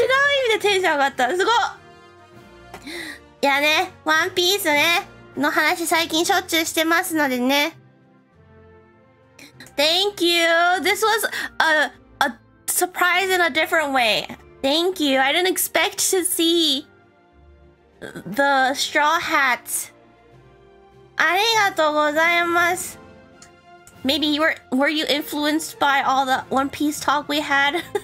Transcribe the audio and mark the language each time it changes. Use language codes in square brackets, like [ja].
[ja] 違う意味でテンション上がった、すごっ。いやね、ワンピースねの話最近しょっちゅうしてますのでね。 [en] Thank you. This was a surprise in a different way. Thank you. I didn't expect to see the straw hats. [ja] ありがとうございます。 [en] Maybe you were you influenced by all the One Piece talk we had?